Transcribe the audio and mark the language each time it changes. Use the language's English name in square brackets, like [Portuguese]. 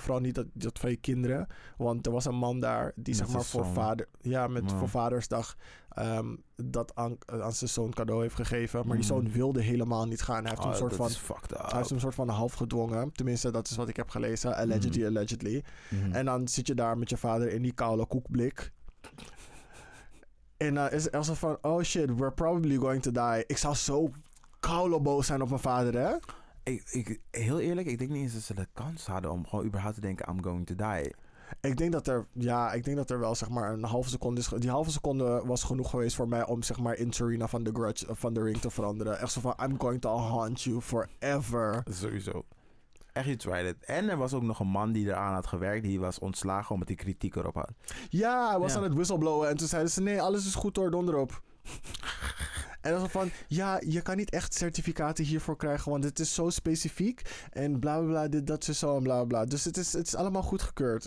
[Dutch] Vooral niet dat van je kinderen. Want er was een man daar die zeg maar voor Vadersdag dat aan zijn zoon cadeau heeft gegeven. Maar die zoon wilde helemaal niet gaan. Hij heeft een soort van half gedwongen. Tenminste, dat is wat ik heb gelezen. Allegedly. Mm-hmm. En dan zit je daar met je vader in die koude koekblik. [English] En dan is Elsa van, oh shit, we're probably going to die. [Dutch] Ik zou zo koude boos zijn op mijn vader, hè? Ik, heel eerlijk, ik denk niet eens dat ze de kans hadden om gewoon überhaupt te denken, I'm going to die. Ik denk dat er wel zeg maar een halve seconde is. Die halve seconde was genoeg geweest voor mij om zeg maar in Serena van The Grudge van The Ring te veranderen. [English] Echt zo van, I'm going to haunt you forever. Sowieso. Echt, you tried it. [Dutch] En er was ook nog een man die eraan had gewerkt. Die was ontslagen omdat hij kritiek erop had. Ja, hij was aan het whistleblowen. En toen zeiden ze, nee, alles is goed hoor, donder op. En dan van, ja, je kan niet echt certificaten hiervoor krijgen, want het is zo specifiek. En bla bla bla, dit, dat, zo en bla bla. Dus het is allemaal goedgekeurd.